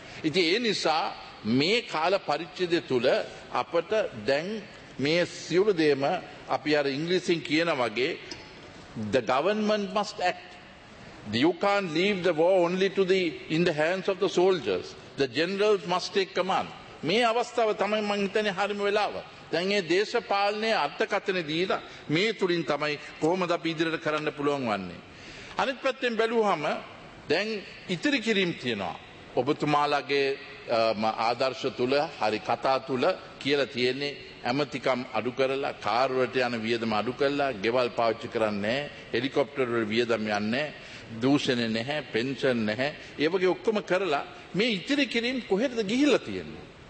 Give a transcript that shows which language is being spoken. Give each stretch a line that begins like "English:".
Sinhala: ඉතින් ඒ නිසා මේ කාල පරිච්ඡේදය තුළ අපට දැන් මේ සියලු දේම අපි අර ඉංග්‍රීසියෙන් කියන වගේ
English: the government must act. You can't leave the war only to the in the hands of the soldiers. The generals must take command.
Sinhala: මේ අවස්ථාව තමයි මම හිතන්නේ හරිම වෙලාව. දැන් මේ දේශපාලනයේ අර්ථකථන දීලා මේ තුලින් තමයි කොහොමද අපි ඉදිරියට කරන්න පුළුවන් වන්නේ. අනිත් පැත්තෙන් බැලුවහම දැන් ඉතිරි කිරීම තියෙනවා. ඔබතුමාලගේ ආදර්ශ තුල හරි කතා තුල කියලා තියෙන්නේ ඇමතිකම් අඩු කරලා, කාර් වලට යන වියදම අඩු කරලා, ගෙවල් පාවිච්චි කරන්නේ නැහැ, හෙලිකොප්ටර් වල වියදම් යන්නේ නැහැ, දූෂණ නැහැ, පෙන්ෂන් නැහැ, ඒ වගේ ඔක්කොම කරලා මේ ඉතිරි කිරීම කොහෙටද ගිහිල්ලා තියෙන්නේ?